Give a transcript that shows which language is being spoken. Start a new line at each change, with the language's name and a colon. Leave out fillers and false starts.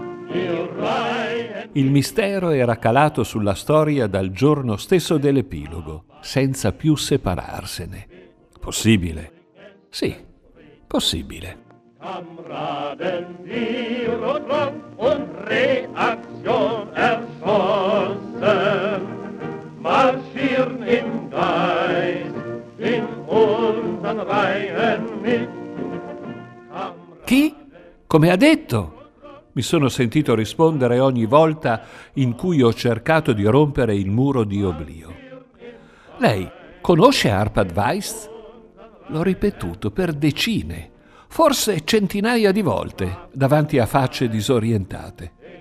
Italian: Il mistero era calato sulla storia dal giorno stesso dell'epilogo, senza più separarsene. Possibile? Sì, possibile.
German: Kameraden, die Rotwang und Reaktion erschossen, marschieren im Geist in unseren Reihen mit.
Italian: Chi? Come ha detto? Mi sono sentito rispondere ogni volta in cui ho cercato di rompere il muro di oblio. Lei conosce Arpad Weiss? L'ho ripetuto per decine, forse centinaia di volte, davanti a facce disorientate.